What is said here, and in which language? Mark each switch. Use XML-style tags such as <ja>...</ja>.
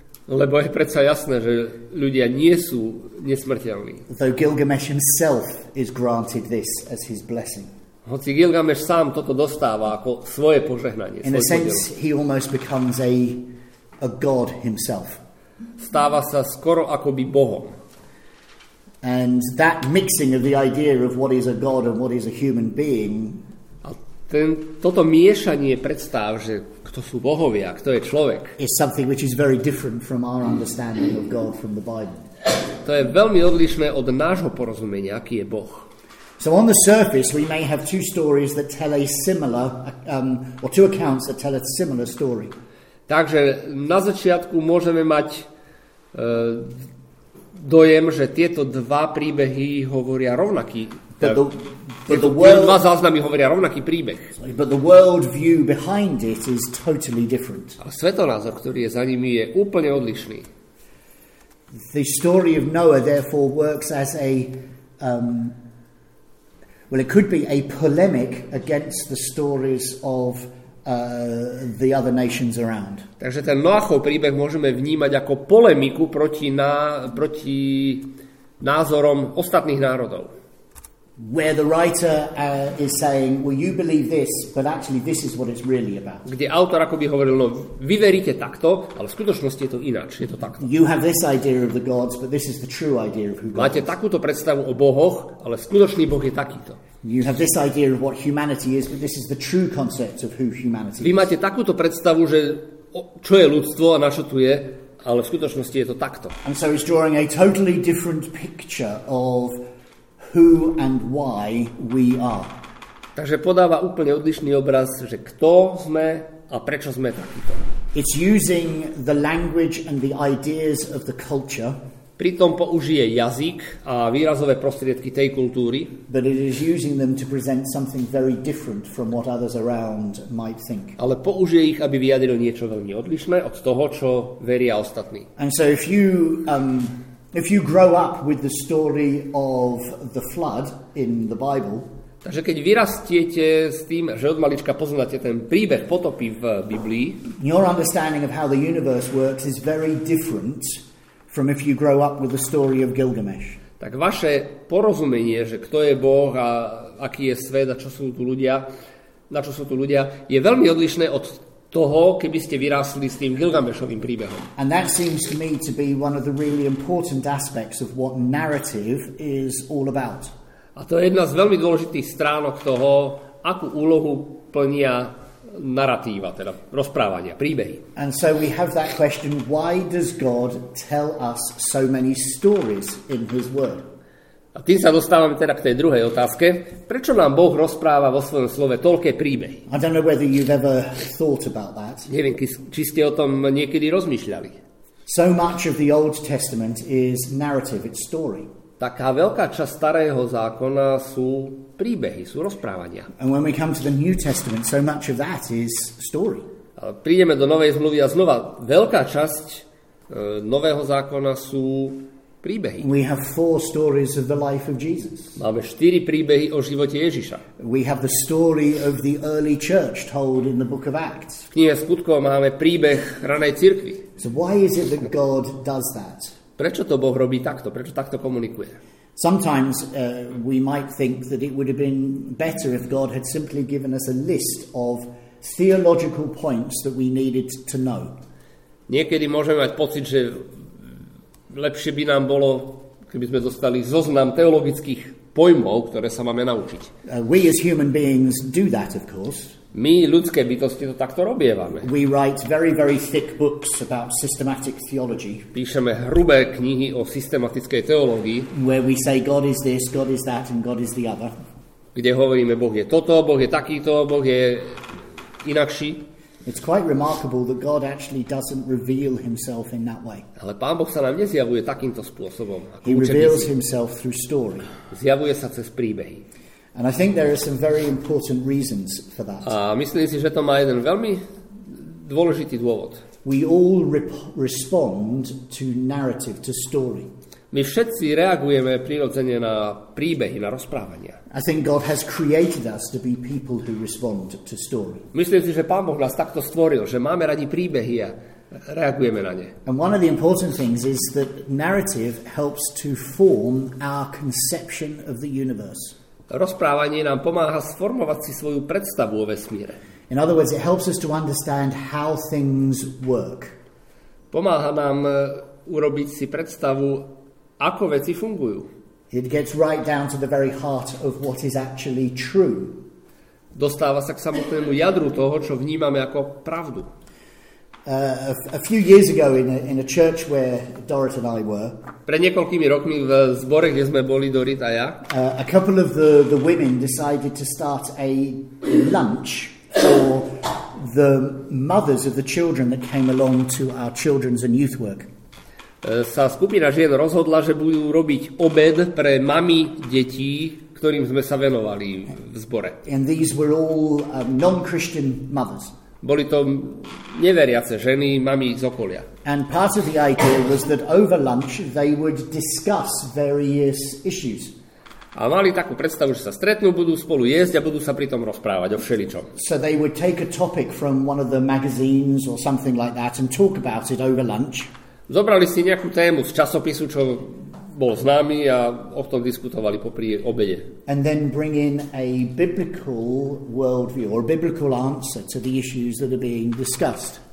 <sk>Lebo je predsa jasné, že ľudia nie sú nesmrteľní.</sk> <en>Though Gilgamesh himself is granted this as his blessing.</en> <sk>Hoci Gilgamesh sám toto dostáva ako svoje požehnanie.</sk> <en>In a sense, he almost becomes a god himself.</en> <sk>Stáva sa skoro akoby bohom.</sk> <en>And that mixing of the idea of what is a god and what is a human being.</en> <sk>A toto miešanie predstav, že kto sú bohovia, kto je človek.</sk> <en>Is something which is very different from our understanding of God from the Bible.</en> <sk>To je veľmi odlišné od nášho porozumenia, aký je Boh.</sk> <en>So on the surface we may have two stories that tell a similar or two accounts that tell a similar story.</en> <sk>Takže na začiatku môžeme mať dojem, že tieto dva príbehy hovoria rovnaký. Dva záznamy hovoria rovnaký príbeh.</sk> <en>But the world view behind it is totally different.</en> <sk>A svetonázor, ktorý je za nimi, je úplne odlišný.</sk> <en>The story of Noah therefore works as a well, it could be a polemic against the stories of the other nations around.</en> <sk>Takže ten Noachov príbeh môžeme vnímať ako polemiku proti názorom ostatných národov.</sk> <en>Where the writer is saying, well, you believe this, but actually this is what it's really about.</en> <sk>Kde autor akoby hovoril, no, vy veríte takto, ale v skutočnosti je to ináč, je to takto.</sk> <en>You have this idea of the gods, but this is the true idea of who God is.</en> <sk>Máte takúto predstavu o bohoch, ale skutočný Boh je takýto.</sk> <en>You have this idea of what humanity is, but this is the true concept of who humanity is.</en> <sk>Vy máte takúto predstavu, že čo je ľudstvo a na čo tu je, ale v skutočnosti je to takto.</sk> <en>And so he's drawing a totally different picture of who and why we are.</en> <sk>Takže podáva úplne odlišný obraz, že kto sme a prečo sme takýto.</sk> <en>It's using the language and the ideas of the culture.</en> <sk>Pritom použije jazyk a výrazové prostriedky tej kultúry.</sk> <en>But it is using them to present something very different from what others around might think.</en> <sk>Ale použije ich, aby vyjadril niečo veľmi odlišné od toho, čo veria ostatní.</sk> <en>And so if you grow up with the story of the flood in the Bible.</en> <sk>Takže keď vyrastiete s tým, že od malička poznáte ten príbeh potopy v Biblii,</sk> <en>your understanding of how the universe works is very different from if you grow up with the story of Gilgamesh.</en> <sk>Tak vaše porozumenie, že kto je Boh a aký je svet a čo sú tu ľudia, na čo sú tu ľudia, je veľmi odlišné od toho, keby ste vyrástli s tým Gilgamešovým príbehom.</sk> <en>And that seems to me to be one of the really important aspects of what narrative is all about.</en> <sk>A to je jedna z veľmi dôležitých stránok toho, akú úlohu plnia narratíva, teda rozprávania, príbehy.</sk> <en>And so we have that question, why does God tell us so many stories in his word?</en> <sk>A tým sa dostávame teda k tej druhej otázke. Prečo nám Boh rozpráva vo svojom slove toľké príbehy?</sk> <en>I don't know whether you've ever thought about that.</en> <sk>Neviem, či ste o tom niekedy rozmýšľali.</sk> <en>So much of the Old Testament is narrative, it's story.</en> <sk>Taká veľká časť starého zákona sú príbehy, sú rozprávania.</sk> <en>And when we come to the New Testament, so much of that is story.</en> <sk>A prídeme do Novej zmluvy a znova veľká časť Nového zákona sú príbehy.</sk> <en>We have four stories of the life of Jesus.</en> <sk>Máme štyri príbehy o živote Ježiša.</sk> <en>We have the story of the early church told in the book of Acts.</en> <sk>V knihe Skutkov máme príbeh ranej cirkvi.</sk> <en>So why is it that God does that?</en> <sk>Prečo to Boh robí takto? Prečo takto komunikuje?</sk> <en>Sometimes we might think that it would have been better if God had simply given us a list of theological points that we needed to know.</en> <sk>Niekedy môžeme mať pocit, že lepšie by nám bolo, keby sme dostali zoznam teologických pojmov, ktoré sa máme naučiť.</sk> <en>We as human beings do that, of course.</en> <sk>My, ľudské bytosti, to takto robievame.</sk> <en>We write very, very thick books about systematic theology.</en> <sk>Píšeme hrubé knihy o systematickej teológii.</sk> <en>Where we say God is this, God is that, and God is the other.</en> <sk>Kde hovoríme, Boh je toto, Boh je takýto, Boh je inakší.</sk> <en>It's quite remarkable that God actually doesn't reveal himself in that way.</en> <sk>Ale Pán Boh sa nám nezjavuje takýmto spôsobom.</sk> <en>He reveals himself through story.</en> <sk>Zjavuje sa cez príbehy.</sk> <en>And I think there are some very important reasons for that.</en> <sk>A myslím si, že to má jeden veľmi dôležitý dôvod.</sk> <en>We all respond to narrative, to story.</en> <sk>My všetci reagujeme prirodzene na príbehy, na rozprávania.</sk> <en>I think God has created us to be people who respond to story.</en> <sk>Myslím si, že Pán Boh nás takto stvoril, že máme radi príbehy a reagujeme na ne.</sk> <en>And one of the important things is that narrative helps to form our conception of the universe.</en> <sk>Rozprávanie nám pomáha sformovať si svoju predstavu o vesmíre.</sk> <en>In other words, it helps us to understand how things work.</en> <sk>Pomáha nám urobiť si predstavu, ako veci fungujú.</sk> <en>It gets right down to the very heart of what is actually true.</en> <sk>Dostáva sa k samotnému jadru toho, čo vnímame ako pravdu.</sk> <en>A few years ago in a church where Dorrit and I were.</en> <sk>Pred niekoľkými rokmi v zbore, kde sme boli Dorrit a ja.</sk> <en>A couple of the women decided to start a lunch for the mothers of the children that came along to our children's and youth work.</en> <sk>Sa skupina žien rozhodla, že budú robiť obed pre mami detí, ktorým sme sa venovali v zbore.</sk> <en>And these were all non-Christian mothers.</en> <sk>Boli to neveriace ženy, mami z okolia.</sk> <en>And part of the idea was that over lunch they would discuss various issues.</en> <sk>A mali takú predstavu, že sa stretnú, budú spolu jesť a budú sa pri tom rozprávať o všeličom.</sk> <en>So they would take a topic from one of the magazines or something like that and talk about it over lunch.</en> <sk>Zobrali si nejakú tému z časopisu, čo bol známy a o tom diskutovali popri obede.</sk> <en>And then bring in a biblical worldview or a biblical answer to the issues that are being discussed.</en>